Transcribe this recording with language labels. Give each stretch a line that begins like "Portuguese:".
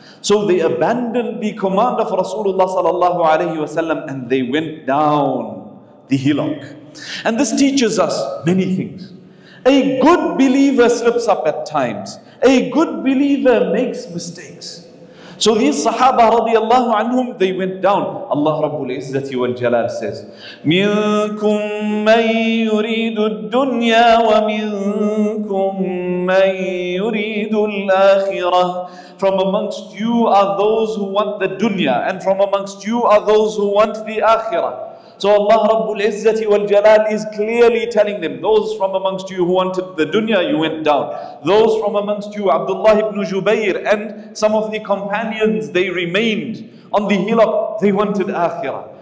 English: So they abandoned the command of Rasulullah sallallahu alayhi wa sallam and they went down the hillock. And this teaches us many things. A good believer slips up at times. A good believer makes mistakes. So these Sahaba radiallahu anhum, they went down. Allah Rabbul Izzati wal Jalal says,
Arabic: مِنْكُمْ مَنْ يُرِيدُ الدُّنْيَا وَمِنْكُمْ مَنْ يُرِيدُ الْآخِرَةِ.
English: From amongst you are those who want the dunya, and from amongst you are those who want the akhirah. So Allah Rabbul Izzati wal Jalal is clearly telling them, those from amongst you who wanted the dunya, you went down. Those from amongst you, Abdullah ibn Jubayr and some of the companions, they remained on the hillock, they wanted akhirah.